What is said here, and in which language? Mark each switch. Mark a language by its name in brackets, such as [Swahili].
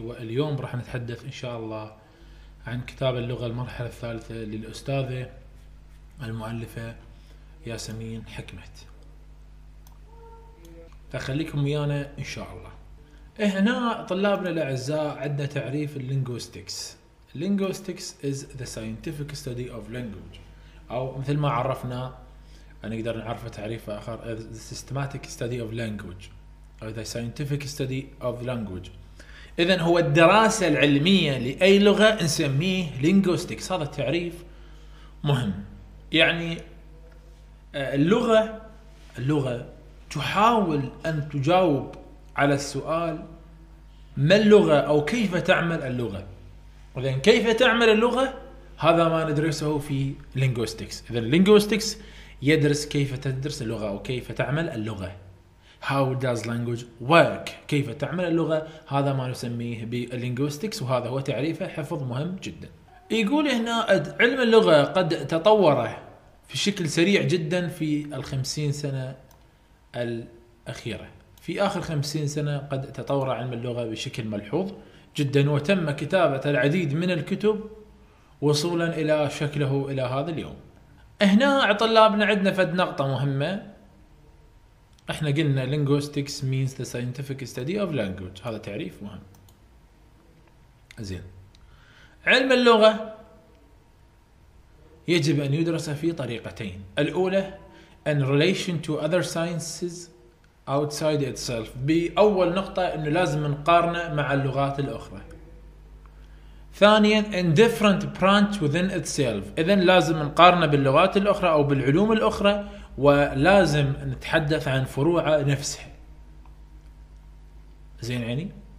[Arabic] واليوم راح نتحدث إن شاء الله عن كتاب اللغة المرحلة الثالثة للأستاذة المؤلفة ياسمين حكمت، فخليكم ويانا إن شاء الله. هنا طلابنا الأعزاء عندنا تعريف اللينغوستكس. [English] اللينغوستكس is the scientific study of language، [Arabic] أو مثل ما عرفنا نقدر نعرف تعريف آخر [English] the systematic study of language [Arabic] أو [English] the scientific study of language. [Arabic] إذن هو الدراسة العلمية لأي لغة نسميه linguistics. هذا التعريف مهم، يعني اللغة تحاول أن تجاوب على السؤال ما اللغة أو كيف تعمل اللغة. إذن كيف تعمل اللغة هذا ما ندرسه في linguistics. إذن linguistics يدرس كيف تدرس اللغة أو كيف تعمل اللغة. [English] How does language work؟ [Arabic] كيف تعمل اللغة؟ هذا ما نسميه باللينغوستيكس، وهذا هو تعريفه، حفظ مهم جدا. يقول هنا علم اللغة قد تطور في شكل سريع جدا في 50 سنة الأخيرة. في آخر 50 سنة قد تطور علم اللغة بشكل ملحوظ جدا، وتم كتابة العديد من الكتب وصولا إلى شكله إلى هذا اليوم. هنا طلابنا عندنا فد نقطة مهمة. احنا قلنا [English] linguistics means the scientific study of language، [Arabic] هذا تعريف مهم زين. علم اللغة يجب ان يدرس في طريقتين، الاولى [English] in relation to other sciences outside itself. [Arabic] باول نقطة انه لازم نقارنه مع اللغات الاخرى. ثانيا [English] in different branch within itself، [Arabic] إذن لازم نقارن باللغات الأخرى أو بالعلوم الأخرى، ولازم نتحدث عن فروع نفسها زين عيني.